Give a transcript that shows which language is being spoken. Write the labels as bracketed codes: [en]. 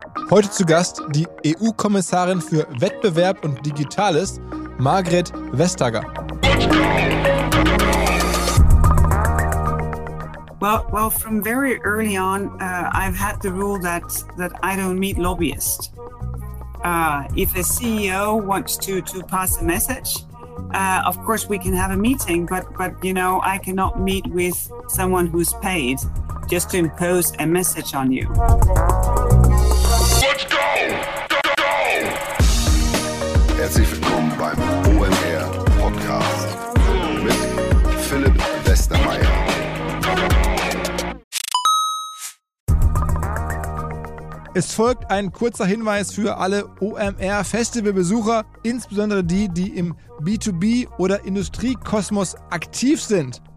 [de] Heute zu Gast die EU-Kommissarin für Wettbewerb und Digitales, Margret Vestager. [en] Well, from very early on, I've had the rule that I don't meet lobbyists. If a CEO wants to pass a message, of course we can have a meeting, but you know, I cannot meet with someone who's paid just to impose a message on you. Let's go! Go! [de] Herzlich willkommen beim OMR Podcast mit Philipp Westermeier. Es folgt ein kurzer Hinweis für alle OMR-Festivalbesucher, insbesondere die, die im B2B- oder Industriekosmos aktiv sind.